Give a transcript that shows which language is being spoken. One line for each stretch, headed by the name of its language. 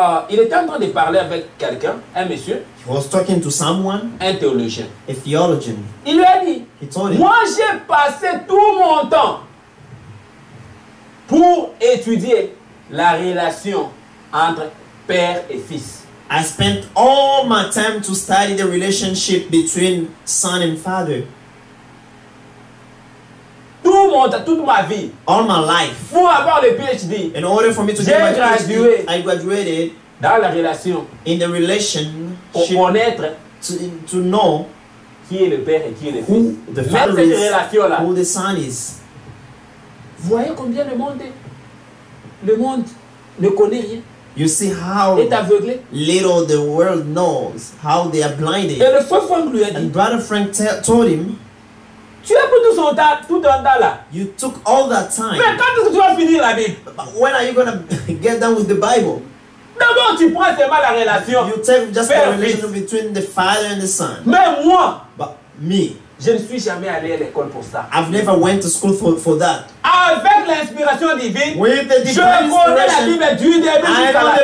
French: Il était en train de parler avec quelqu'un, un monsieur.
English: He was talking to someone.
French: Un théologien.
English: A theologian.
French: Il lui a dit.
English: He told him.
French: Moi, j'ai passé tout mon temps pour étudier la relation entre père et fils.
English: I spent all my time to study the relationship between son and father.
French: Tout mon temps, toute ma vie.
English: All my life.
French: Pour avoir le PhD.
English: In order for me to get my PhD, I graduated.
French: Dans la relation.
English: In the relation.
French: Pour connaître.
English: To know.
French: Qui est le père et qui est le
English: who The father
French: même
English: is,
French: cette relation là.
English: Who the son is.
French: Voyez combien le monde est. Le monde ne connaît rien.
English: You see how
French: est aveuglé.
English: Little the world knows. How they are blinded.
French: Et le frère Frank lui a dit.
English: And brother Frank told him.
French: Tu as pris tout ton temps là.
English: You took all that time.
French: Mais quand est-ce que tu vas finir la Bible?
English: When are you gonna get done with the Bible?
French: D'abord tu prends seulement la relation.
English: You take just the relation between the father and the son.
French: Mais moi.
English: But me.
French: Je ne suis jamais allé à l'école pour ça.
English: I've never went to school for that.
French: Avec l'inspiration divine.
English: With the divine
French: je connais la Bible du début jusqu'à la fin.